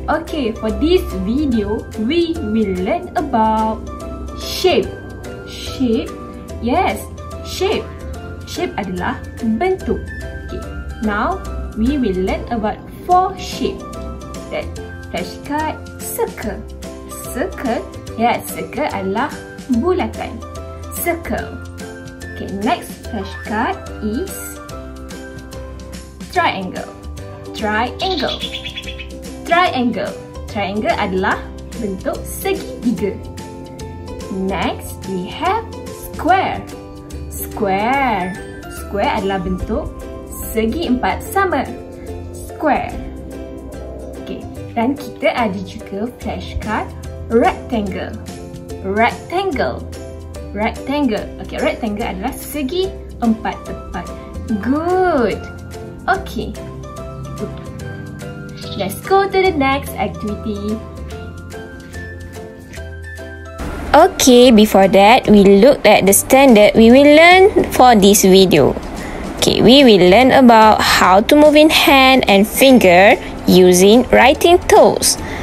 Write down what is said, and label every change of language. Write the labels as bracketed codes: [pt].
[en] Okay, for this video, we will learn about shape. Shape? Yes, shape. Shape [ms] adalah bentuk. [en] Okay, now we will learn about four shape. That flashcard, circle. Circle? [ms] Yes, circle adalah bulatan. [en] Circle. Okay, next flashcard is triangle. Triangle. Triangle. Triangle [ms] adalah bentuk segi tiga. [en] Next, we have square. [ms] Square. Square adalah bentuk segi empat sama. [en] Square. Okay, [ms] dan kita ada juga [en] flashcard rectangle. Rectangle. Rectangle. [ms] Okay, rectangle adalah segi empat tepat. [en] Good. Okay. Let's go to the next activity. Okay, before that, we looked at the standard we will learn for this video. Okay, we will learn about how to move in hand and finger using writing toes.